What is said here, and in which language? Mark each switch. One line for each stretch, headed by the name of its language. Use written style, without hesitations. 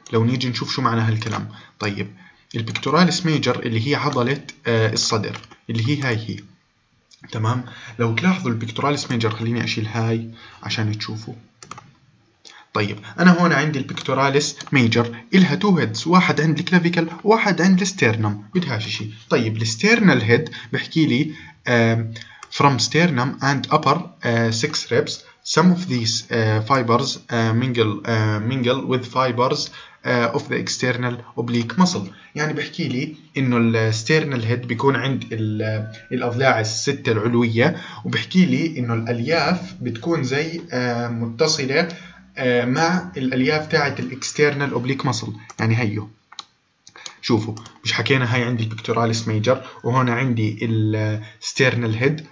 Arabic: لو نيجي نشوف شو معنى هالكلام. طيب البكتوراليس ميجر اللي هي عضلة الصدر اللي هي هاي هي. تمام. لو تلاحظوا البكتوراليس ميجر، خليني أشيل هاي عشان تشوفوا. طيب أنا هون عندي البكتوراليس ميجر إلها تو هيدز، واحد عند الكلافيكال واحد عند الستيرنم، بدهاش شيء. طيب الستيرنال هيد بحكي لي
English: from sternum and upper six ribs some of these fibers mingle with fibers of the external oblique muscle.
Arabic: يعني بحكي لي انه الستيرنال هيد بيكون عند الاضلاع السته العلويه، وبحكي لي انه الالياف بتكون زي متصله مع الالياف تاعت الاكسترنال اوبليك مسل. يعني هيو شوفوا، مش حكينا هاي عندي البكتوراليس ميجر وهنا عندي الستيرنال هيد.